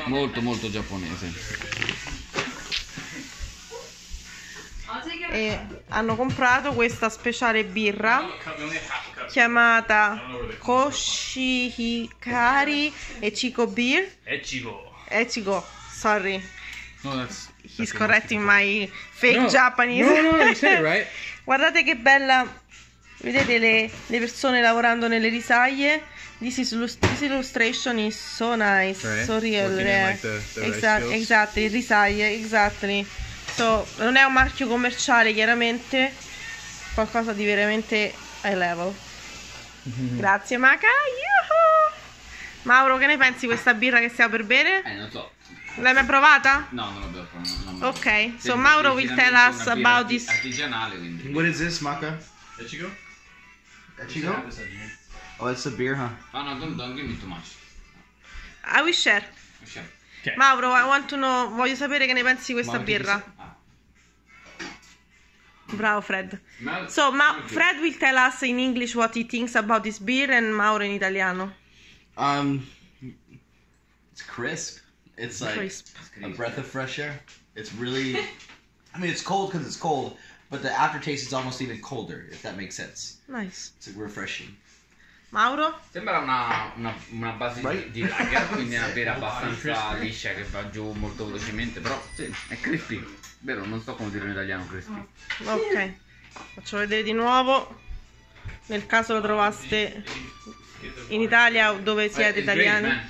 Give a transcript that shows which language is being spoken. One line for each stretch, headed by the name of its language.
Italian: Molto molto giapponese. E hanno comprato questa speciale birra chiamata Koshihikari Echigo Beer. Echigo,
English: sorry. No, that's he's correcting my fake Japanese. No, you said it right.
Italian: Guardate che bella. Vedete le persone lavorando nelle risaie.
English: This illustration is so nice, right. So real.
Italian: Esatto, risaie,
English: exactly.
Italian: So, non è un marchio commerciale, chiaramente, qualcosa di veramente
English: high level.
Italian: Grazie, Maka. Yuhu! Mauro, che ne pensi di questa birra che stiamo per bere? Non so. L'hai mai provata? No, non l'ho provata.
English: Ok, so Mauro will tell us about this.
Italian: Artigianale, quindi.
English: What is this, Maka? Echigo? Echigo? Oh, it's a beer, huh? Oh, no, don't give me too much. I will share. Okay.
Italian: Mauro,
English: I want to know,
Italian: voglio sapere che ne pensi di questa birra. Bravo Fred.
English: Fred will tell us in English what he thinks about this beer and Mauro
Italian: in italiano.
English: It's crisp. It's like crisp. A breath of fresh air. It's really, I mean, it's cold because it's cold, but the aftertaste is almost even colder, if that makes sense. Nice. It's like refreshing. Mauro?
Italian: Sembra una base di lager, quindi è una birra abbastanza liscia che va giù molto velocemente, però sì, è crispy. Vero, non so come dire in italiano crispy. Ok, faccio vedere di nuovo, nel caso lo trovaste in Italia o dove siete italiani.